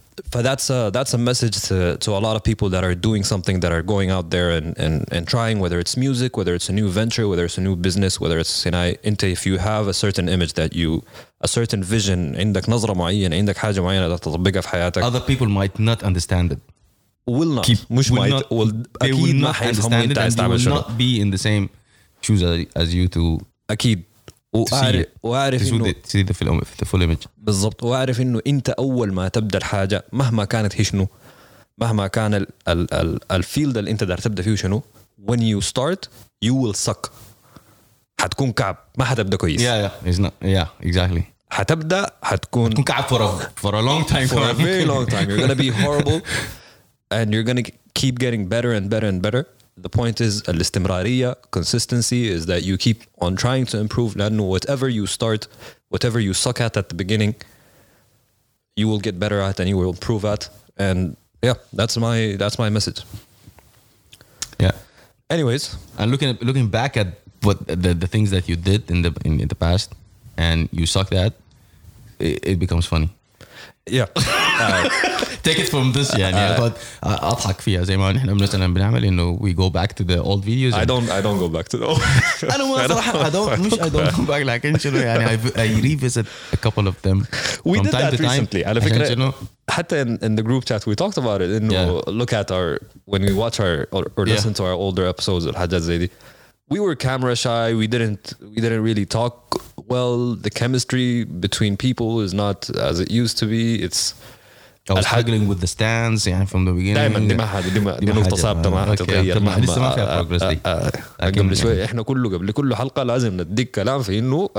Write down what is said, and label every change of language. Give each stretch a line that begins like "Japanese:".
English: But that's a message to a lot of people that are doing something that are going out there and trying whether it's music whether it's a new venture whether it's a new business whether it's you know into if you have a certain image that you a certain vision
Arabic: عندك نظرة معينة عندك حاجة معينة تطبقها في حياتك
English: other people might not understand it will not Keep,
Arabic: مش
English: will might not, will they
Arabic: أكيد
English: will not understand it and they will not be in the same shoes as you to
Arabic: أكيد وأعرف إنه بالضبط وأعرف إنه أنت أول ما تبدأ الحاجة مهما كانت هي شنو مهما كان الفيلد اللي أنت دار تبدأ فيه شنو
English: when you start you will suck
Arabic: حتكون كعب ما حتبدأ كويس
English: yeah exactly
Arabic: حتبدأ حتكون كعب
English: for a long time for a very long time you're gonna be horrible and you're gonna keep getting better and better and better The point is
Arabic: الاستمرارية
English: consistency is that you keep on trying to improve
Arabic: لأنه
English: whatever you start whatever you suck at the beginning you will get better at and you will improve at and yeah that's my message yeah anyways and looking back at what the things that you did in the past and you sucked at it becomes funny yeah Take it from this, yeah.
Arabic: But أضحك فيها زي ما نحن مثلاً بنعمل إنه
English: we go back to the old videos. I don't go back to the old.
Arabic: أنا ما صراحة
English: I don't go back. Like
Arabic: إن شنو يعني
English: I revisit a couple of them. We did that recently.
Arabic: على فكرة حتى
English: in the group chat we talked about it.
Arabic: إنه
English: look at our when we watch our or listen to our older episodes
Arabic: الحاجات زي دي.
English: we were camera shy. We didn't really talk well. The chemistry between people is not as it used to be. It's I was struggling with the stands يعني from the beginning.
Arabic: دائما دي ما مختصابته ما تغير. لسه ما فيها progress دي. قبل شوي احنا كله قبل كل حلقة لازم نديك كلام في انه